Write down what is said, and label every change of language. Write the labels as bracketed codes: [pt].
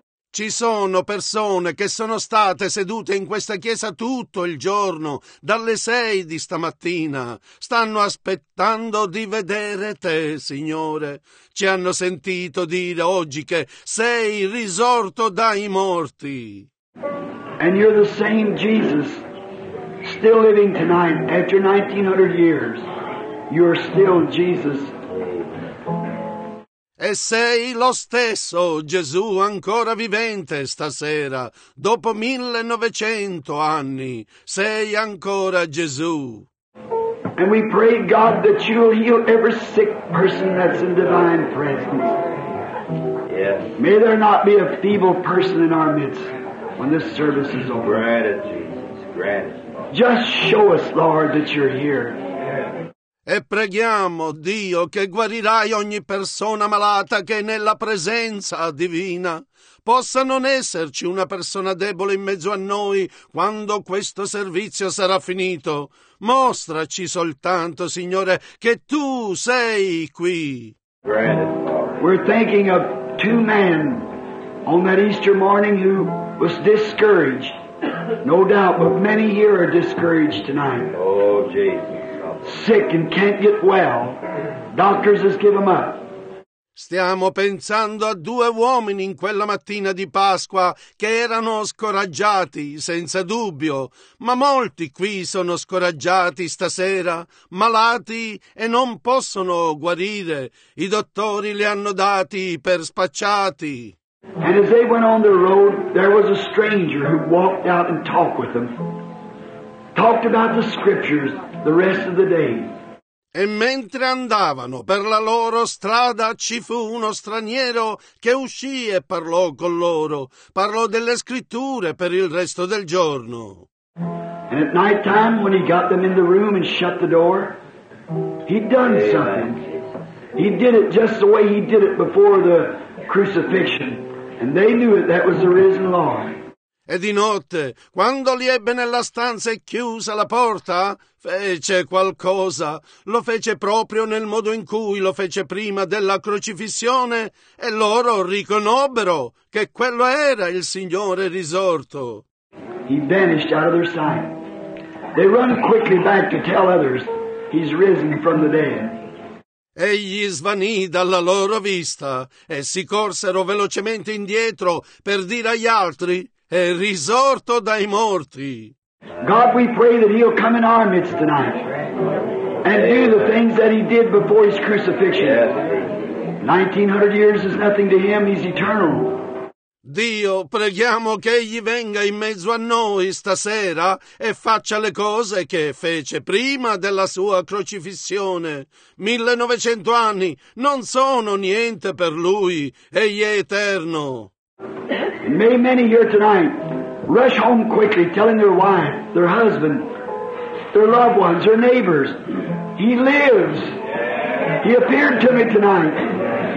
[it] Ci sono persone che sono state sedute in questa chiesa tutto il giorno, dalle 6 di stamattina. Stanno aspettando di vedere te, Signore. Ci hanno sentito dire oggi che sei risorto dai morti. [en] And you're the same Jesus, still living tonight, after 1900 years. You're still Jesus. [it] E sei lo stesso Gesù ancora vivente stasera, dopo 1900 anni, sei ancora Gesù. [en] And we pray, God, that you'll heal every sick person that's in divine presence. Yes. May there not be a feeble person in our midst when this service is over. Gratitude. Just show us, Lord, that you're here. [it] E preghiamo, Dio, che guarirai ogni persona malata che è nella presenza divina. Possa non esserci una persona debole in mezzo a noi quando questo servizio sarà finito. Mostraci soltanto, Signore, che Tu sei qui. [en] We're thinking of two men on that Easter morning who was discouraged. No doubt, but many here are discouraged tonight. Oh, Jesus. Sick and can't get well. Doctors has given up. [it] Stiamo pensando a due uomini in quella mattina di Pasqua che erano scoraggiati, senza dubbio. Ma molti qui sono scoraggiati stasera, malati e non possono guarire. I dottori li hanno dati per spacciati. [en] And as they went on the road, there was a stranger who walked out and talked with them. Talked about the scriptures. The rest of the day. [it] E mentre andavano per la loro strada ci fu uno straniero che uscì e parlò con loro, parlò delle scritture per il resto del giorno. [en] And at night time when he got them in the room and shut the door, he'd done something. He did it just the way he did it before the crucifixion, and they knew it, that was the risen Lord. [it] E di notte, quando li ebbe nella stanza e chiusa la porta, fece qualcosa. Lo fece proprio nel modo in cui lo fece prima della crocifissione e loro riconobbero che quello era il Signore risorto. [en] He vanished out of their sight. They run quickly back to tell others he's risen from the dead. [it] Egli svanì dalla loro vista e si corsero velocemente indietro per dire agli altri: è risorto dai morti. [en] God, we pray that he'll come in our midst tonight and do the things that he did before his crucifixion. 1900 years is nothing to him, he's eternal. [it] Dio, preghiamo che egli venga in mezzo a noi stasera e faccia le cose che fece prima della sua crocifissione. 1900 anni non sono niente per lui, egli è eterno. [en] May many here tonight rush home quickly, telling their wife, their husband, their loved ones, their neighbors, he lives. He appeared to me tonight.